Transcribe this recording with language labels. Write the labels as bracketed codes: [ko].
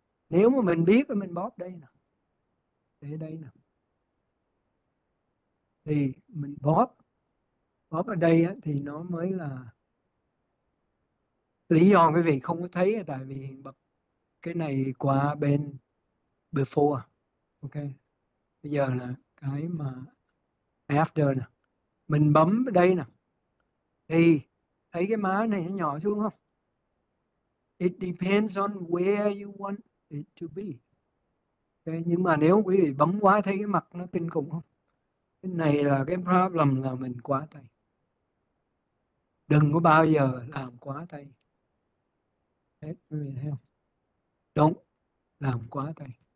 [vi] Nếu mà mình biết mình bóp đây nè, để đây nè, thì mình bóp bóp ở đây á, thì nó mới là lý do quý vị không có thấy, tại vì bật cái này qua bên before. Ok, bây giờ là cái mà after nè. Mình bấm đây nè, thì thấy cái má này nó nhỏ xuống không? [en] It depends on where you want it to be. Okay. [vi] Nhưng mà nếu quý vị bấm quá thấy cái mặt nó kinh khủng không? Cái này là cái problem là mình quá tay. Đừng có bao giờ làm quá tay. Đấy, quý vị thấy không? [en] Don't [vi] làm quá tay.